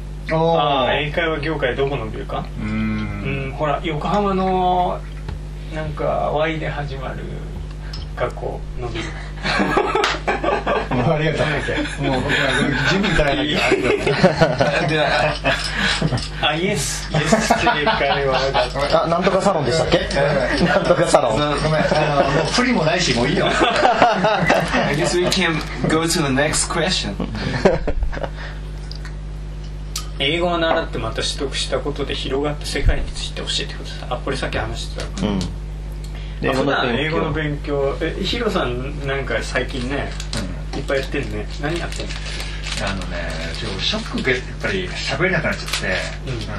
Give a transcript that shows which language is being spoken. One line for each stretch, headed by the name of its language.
Japanese: ああ英会話業界どこ伸びるか、ほら横浜のなんか Y で始まる学校伸びるもうありがとうございます、もう僕は準備からやってあっイエスイエスって英会話あ、なんとかサロンでしたっけなんとかサロン、ごめん、あのもうプリもないしもういいよ
English: I guess we can go to the next question
Japanese: 英語を習ってまた取得したことで広がった世界について教えてください。あ、これさっき話してた。うん。普段英語の勉強、ヒロさんなんか最近ね、うん、いっぱいやってるね。何やってんの？あのね、ちょっとショックでやっぱり喋れなくなっちゃって、